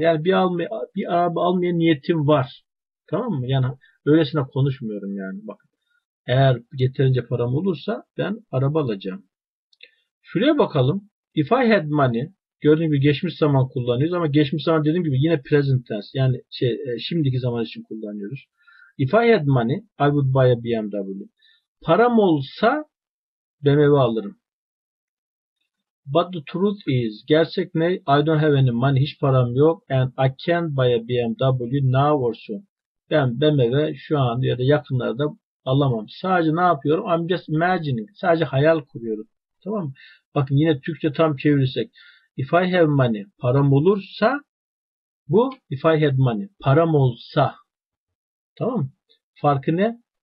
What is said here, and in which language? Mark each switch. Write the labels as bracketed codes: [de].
[tr] Yani bir araba almaya niyetim var. Tamam mı? Yani öylesine konuşmuyorum yani. Bak, eğer yeterince param olursa ben araba alacağım. Şuraya bakalım. [en] If I had money. [tr] Gördüğünüz gibi geçmiş zaman kullanıyoruz ama geçmiş zaman dediğim gibi yine present tense. Yani şimdiki zaman için kullanıyoruz. [en] If I had money, I would buy a BMW. [tr] Param olsa BMW alırım. [en] But the truth is, [tr] gerçek ne? [en] I don't have any money, [tr] hiç param yok. [en] And I can't buy a BMW now or soon. [tr] Ben BMW şu an ya da yakınlarda alamam. Sadece ne yapıyorum? [en] I'm just imagining. [tr] Sadece hayal kuruyorum. Tamam mı? Bakın yine Türkçe tam çevirirsek. [en] If I have money, [tr] param olursa bu [en] if I had money, [tr] param olsa. Tamam mı? Farkı ne?